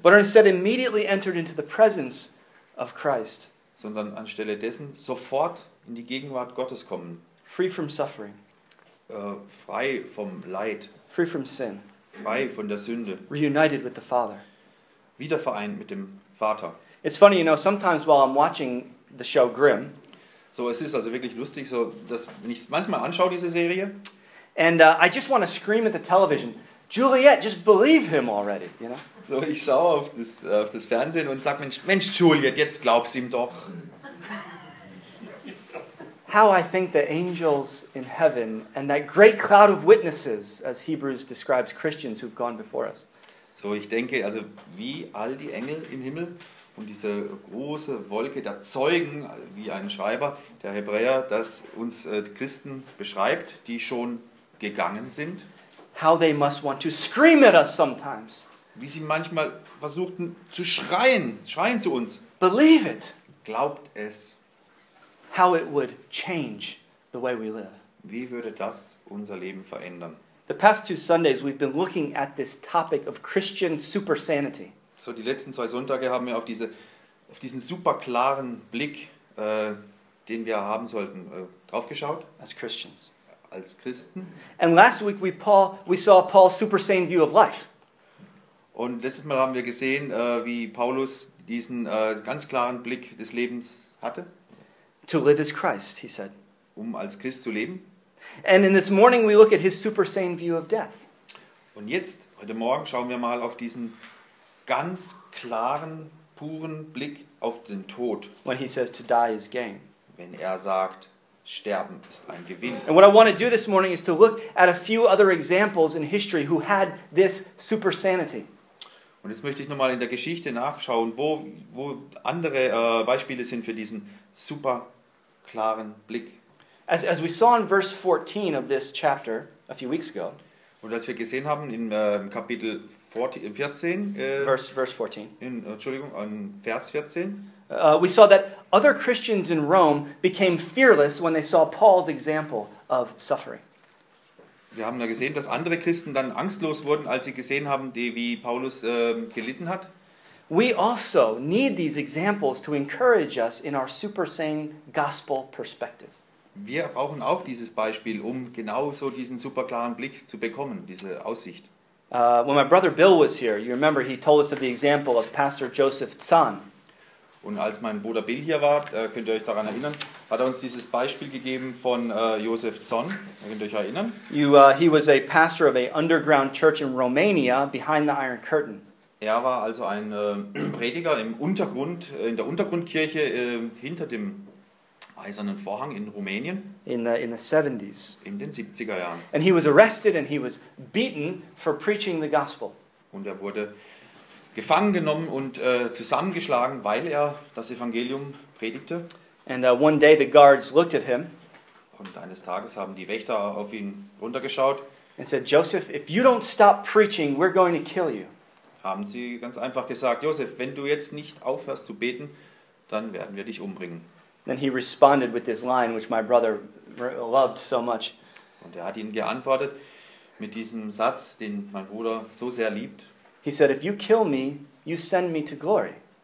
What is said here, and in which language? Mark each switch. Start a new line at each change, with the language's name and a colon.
English: But instead immediately entered into the presence of Christ.
German: Sondern anstelle dessen sofort in die Gegenwart Gottes kommen.
English: Free from suffering.
German: Frei vom Leid.
English: Free from sin.
German: Frei von der Sünde.
English: Reunited with the Father.
German: Wieder vereint mit dem Vater.
English: It's funny, you know, sometimes while I'm watching the show Grimm.
German: So es ist also wirklich lustig, so dass wenn ich manchmal anschaue diese Serie.
English: And I just want to scream at the television, Juliet, just believe him already, you know?
German: So ich schaue auf das Fernsehen und sag Mensch Juliet, jetzt glaub's ihm doch.
English: How I think the angels in heaven and that great cloud of witnesses, as Hebrews describes Christians who've gone before us.
German: So ich denke, also wie all die Engel im Himmel und diese große Wolke der Zeugen, wie ein Schreiber der Hebräer, das uns Christen beschreibt, die schon gegangen sind.
English: How they must want to scream at us sometimes.
German: Wie sie manchmal versuchten zu schreien zu uns.
English: Believe it.
German: Glaubt es.
English: How it would change the way we live.
German: Wie würde das unser Leben verändern?
English: The past two Sundays we've been looking at this topic of Christian super sanity.
German: So die letzten zwei Sonntage haben wir auf diesen super klaren Blick, den wir haben sollten, drauf geschaut.
English: As Christians.
German: Als Christen.
English: And last week we saw Paul's super sane view of life.
German: Und letztes Mal haben wir gesehen, wie Paulus diesen ganz klaren Blick des Lebens hatte.
English: To live as Christ, he said.
German: Um als Christ zu leben.
English: And in this morning we look at his super sane view of death.
German: Und jetzt heute Morgen schauen wir mal auf diesen ganz klaren, puren Blick auf den Tod.
English: When he says to die is gain.
German: Wenn er sagt, Sterben ist ein Gewinn.
English: And what I want to do this morning is to look at a few other examples in history who had this super sanity.
German: Und jetzt möchte ich nochmal in der Geschichte nachschauen, wo andere Beispiele sind für diesen super klaren Blick.
English: As we saw in verse 14 of this chapter a few weeks ago.
German: Und als wir gesehen haben in Kapitel 14.
English: Verse 14.
German: In Vers 14.
English: We saw that other Christians in Rome became fearless when they saw Paul's example of suffering.
German: Wir haben da gesehen, dass andere Christen dann angstlos wurden, als sie gesehen haben, wie Paulus gelitten hat.
English: We also need these examples to encourage us in our super sane gospel perspective.
German: Wir brauchen auch dieses Beispiel, um genau so diesen super klaren Blick zu bekommen, diese Aussicht.
English: When my brother Bill was here, you remember he told us of the example of Pastor Joseph Tsan.
German: Und als mein Bruder Bill hier war, könnt ihr euch daran erinnern, hat er uns dieses Beispiel gegeben von Josef Zon. Könnt ihr euch erinnern?
English: He was a pastor of a underground church in Romania behind the Iron Curtain.
German: Er war also ein Prediger im Untergrund, in der Untergrundkirche hinter dem Eisernen Vorhang in Rumänien.
English: In the 70s.
German: In den 70er Jahren.
English: And he was arrested and he was beaten for preaching the gospel.
German: Und er wurde gefangen genommen und zusammengeschlagen, weil er das Evangelium predigte.
English: And one day the guards looked at him.
German: Und eines Tages haben die Wächter auf ihn runtergeschaut.
English: And said, Joseph, if you don't stop preaching, we're going to kill you.
German: Haben sie ganz einfach gesagt, Joseph, wenn du jetzt nicht aufhörst zu beten, dann werden wir dich umbringen.
English: Then he responded with this line, which my brother loved so much.
German: Und er hat ihnen geantwortet mit diesem Satz, den mein Bruder so sehr liebt.
English: He said, if you kill me, you send me to glory.